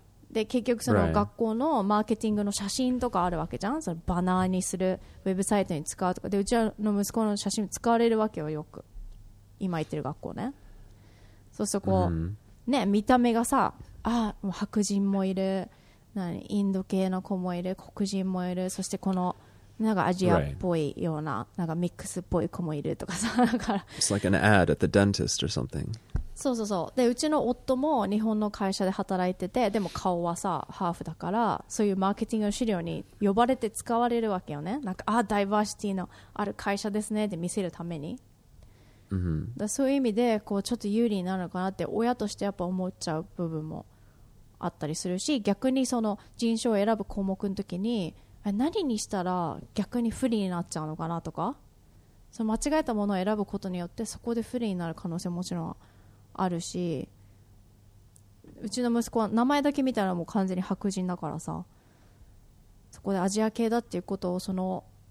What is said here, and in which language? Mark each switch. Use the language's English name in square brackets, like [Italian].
[Japanese] で結局その学校のマーケティングの写真とかあるわけじゃん、そのバナーにするウェブサイトに使うとかで、うちの息子の写真使われるわけよよく今行ってる学校ね。そうするとこう、ね、見た目がさあもう白人もいる、何インド系の子もいる、黒人もいる、そしてこのなんかアジアっぽいような、 [English] right. [Japanese] なんかミックスっぽい子もいるとかさ、だから [English] It's like an ad at the dentist or something. [Japanese] そうそうそう。でうちの夫も日本の会社で働いてて、でも顔はさハーフだから、そういうマーケティングの資料に呼ばれて使われるわけよね。なんかあダイバーシティのある会社ですねって見せるために、 mm-hmm. だそういう意味でこうちょっと有利になるのかなって親としてやっぱ思っちゃう部分もあったりするし、逆にその人種を選ぶ項目の時に何にしたら逆に不利になっちゃうのかなとか、その間違えたものを選ぶことによってそこで不利になる可能性ももちろんあるし、うちの息子は名前だけ見たらもう完全に白人だからさ、そこでアジア系だっていうことをその